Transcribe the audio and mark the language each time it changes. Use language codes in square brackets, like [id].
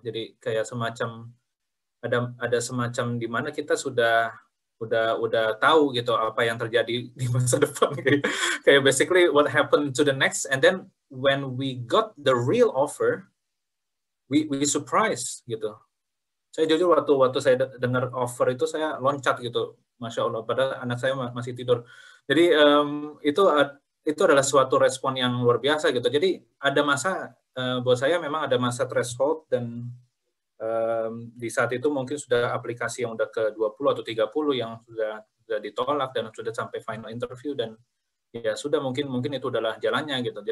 [id] Jadi kayak semacam ada semacam di mana kita sudah tahu gitu apa yang terjadi di masa depan. [en] Kayak basically what happened to the next, and then when we got the real offer, we surprised gitu. [id] Saya jujur waktu saya dengar offer itu saya loncat gitu. Masya Allah, padahal anak saya masih tidur. Jadi itu adalah suatu respon yang luar biasa gitu. Jadi ada masa buat saya memang ada masa threshold, dan di saat itu mungkin sudah aplikasi yang udah ke 20 atau 30 yang sudah ditolak dan sudah sampai final interview, dan ya sudah mungkin itu adalah jalannya gitu.